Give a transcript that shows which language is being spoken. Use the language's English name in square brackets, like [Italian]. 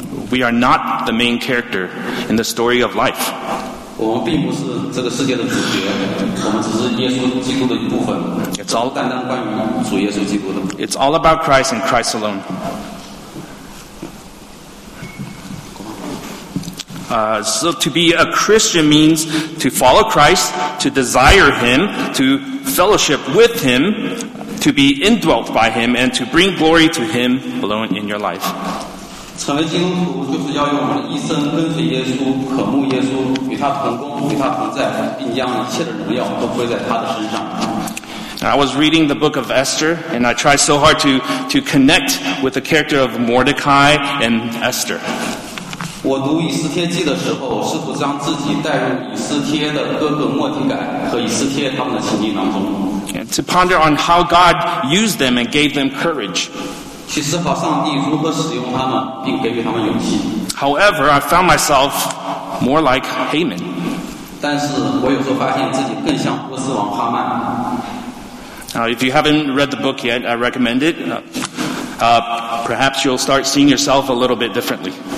[English] We are not the main character in the story of life. [Chinese] 我们并不是这个世界的主角，我们只是耶稣基督的一部分。 [English] It's all [Chinese] 单单关于主耶稣基督的。 [English] It's all about Christ and Christ alone. So to be a Christian means to follow Christ, to desire Him, to fellowship with Him, to be indwelt by Him, and to bring glory to Him alone in your life. [Chinese] 成为基督徒就是要用我们的一生跟随耶稣，渴慕耶稣，与他同工，与他同在，并将一切的荣耀都归在他的身上。 [English] I was reading the book of Esther, and I tried so hard to connect with the character of Mordecai and Esther. [Chinese] 我读以斯帖记的时候，试图将自己带入以斯帖的哥哥莫迪改和以斯帖他们的情境当中。 [English] And to ponder on how God used them and gave them courage. [Chinese] 去思考上帝如何使用他们并给予他们勇气。 [English] However, I found myself more like Haman. [Chinese] 但是我有时候发现自己更像波斯王哈曼。 [English] Now, if you haven't read the book yet, I recommend it. Perhaps you'll start seeing yourself a little bit differently.